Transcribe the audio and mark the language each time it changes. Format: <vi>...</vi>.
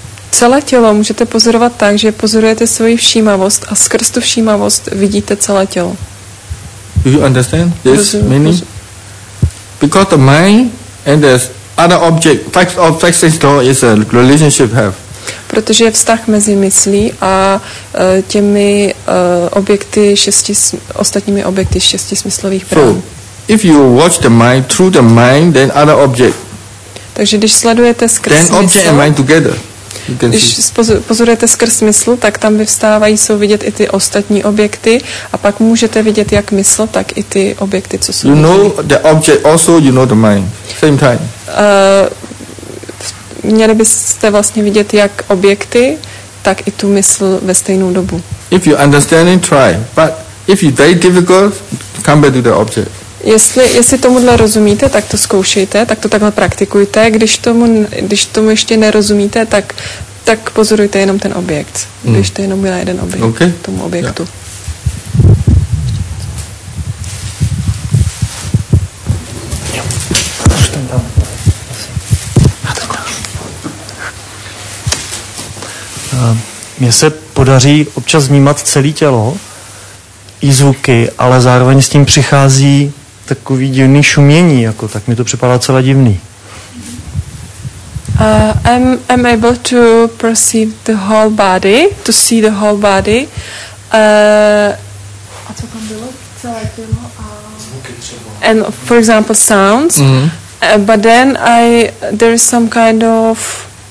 <cs>Celé tělo můžete pozorovat tak, že pozorujete svoji všímavost a skrz tu všímavost vidíte celé tělo.</cs> <en>Do you understand this meaning? Because the mind and the other object, facts of sensation law is a relationship have.</en> <cs>Protože je vztah mezi myslí a těmi objekty ostatními objekty šesti smyslových prvků.</cs> <en>So, if you watch the mind through the mind, then other object.</en> <cs>Takže když sledujete skrz</cs> <en>then object</en> <cs>smysl,</cs> <en>and mind together.</en> <cs>Když pozorujete skrz smysl, tak tam vyvstávají, jsou vidět i ty ostatní objekty a pak můžete vidět jak mysl, tak i ty objekty, co jsou.</cs> <en>You know the object also, you know the mind. Same time.</en> <cs>Měli byste vlastně vidět jak objekty, tak i tu mysl ve stejnou dobu.</cs> <en>If you understand it, try. But if it's very difficult, come back to the object.</en> <cs>Jestli tomuhle rozumíte, tak to zkoušejte, tak to takhle praktikujte. Když tomu ještě nerozumíte, tak pozorujte jenom ten objekt. Běžte jenom na jeden objekt, okay. Tomu objektu.</cs> <en>Yeah.</en> <cs>Mně se podaří občas vnímat celé tělo i zvuky, ale zároveň s tím přichází takový divný šumění, jako tak mi to připadá celé divný.</cs> <en>I'm able to perceive the whole body, to see the whole body.</en> <cs>A co tam bylo? Celé tělo a zvuky třeba.</cs> <en>And for example sounds. Mm-hmm. But then there is some kind of</en>